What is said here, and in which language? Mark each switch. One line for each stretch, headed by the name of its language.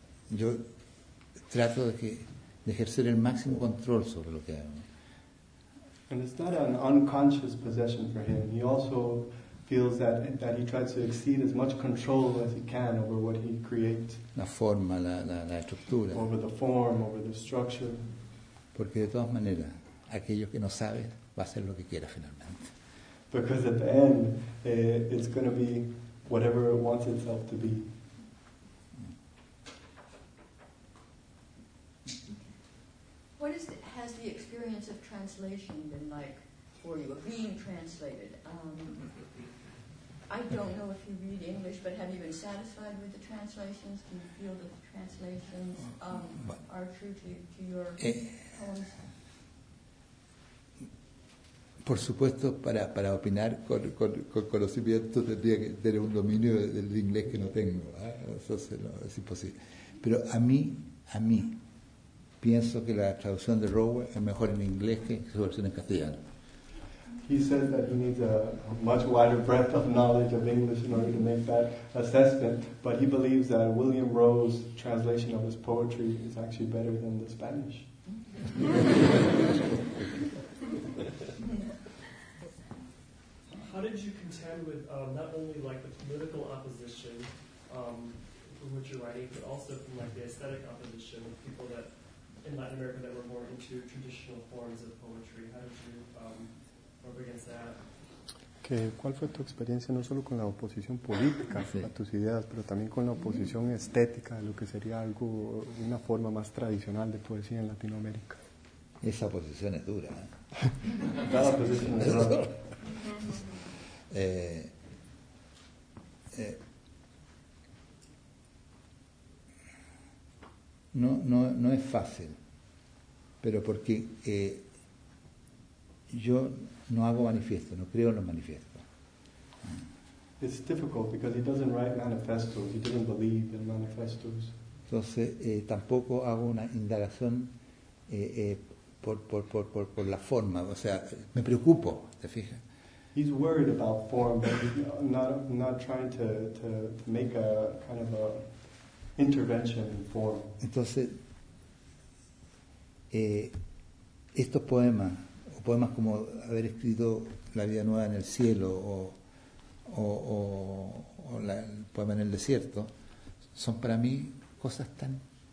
Spanish: Yo trato de ejercer el máximo control sobre lo que hago.
English: And it's not an unconscious possession for him. He also feels that he tries to exceed as much control as he can over what he creates.
Spanish: La forma, la estructura.
English: Over the form, over the structure.
Spanish: Porque de todas maneras, aquello que no sabe va a hacer lo que quiera finalmente.
English: Because at the end, it's going to be whatever it wants itself to be. What is the, has the experience of translation been like for you, of being translated? I don't know if you read English, but have you been satisfied with the translations? Do you feel that the translations are true to your poems?
Spanish: Por supuesto, para opinar con conocimiento tendría que tener un dominio del inglés que no tengo, ¿eh? Eso no, es imposible. Pero a mí, pienso que la traducción de Rowe es mejor en inglés que su versión en castellano.
English: He says that he needs a much wider breadth of knowledge of English in order to make that assessment, but he believes that William Rowe's translation of his poetry is actually better than the Spanish. How did you contend with not only like the political opposition from which you're writing, but also from like the aesthetic opposition of people that in Latin America that were more into traditional forms of poetry? How did you work against that?
Spanish: ¿Qué, cuál fue tu experiencia no solo con la oposición política a tus ideas, pero también con la oposición estética de lo que sería algo una forma más tradicional de poesía en Latinoamérica? Esa oposición es dura. Cada oposición es dura. No es fácil, pero porque yo no hago manifiesto, no creo en los manifiestos.
English: It's difficult because he doesn't write manifestos. He doesn't believe in manifestos.
Spanish: Entonces tampoco hago una indagación por la forma, o sea, me preocupo, ¿te fijas?
English: He's worried about form, but not trying to make a kind of a intervention in form.
Spanish: Entonces, estos poemas, o poemas como haber escrito La vida nueva en el cielo o el poema en el desierto, son para mí cosas tan...